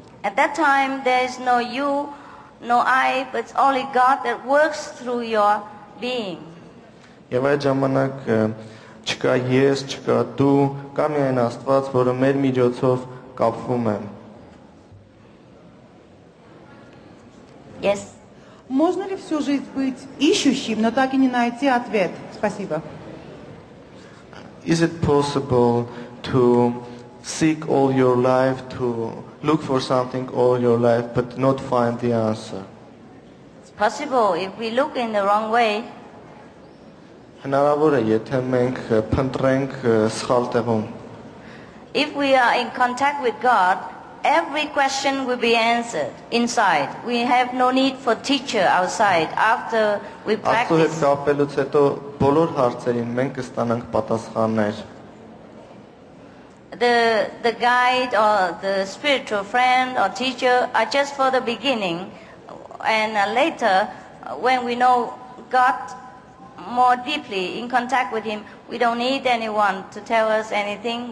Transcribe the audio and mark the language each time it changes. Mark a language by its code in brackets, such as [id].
[en] At that time, there is no you, no I, but it's only God that works through your being. [hy] Եվ այդ ժամանակ չկա ես, չկա դու, կամ միայն Աստված, որը մեր միջոցով կապվում է։ [en] Yes. [ru] Можно ли всю жизнь быть ищущим, но так и не найти ответ? Спасибо. [en] Is it possible to seek all your life, to look for something all your life, but not find the answer? It's possible if we look in the wrong way. [hy] Հնարավոր է, եթե մենք փնտրենք սխալ տեղում. [en] If we are in contact with God, every question will be answered inside. We have no need for teacher outside. After we practice. [hy] Աստուհի հետ կապելուց հետո բոլոր հարցերին մենք կստանանք պատասխաններ։ [en] The guide or the spiritual friend or teacher are just for the beginning, and later when we know God more deeply, in contact with him, we don't need anyone to tell us anything.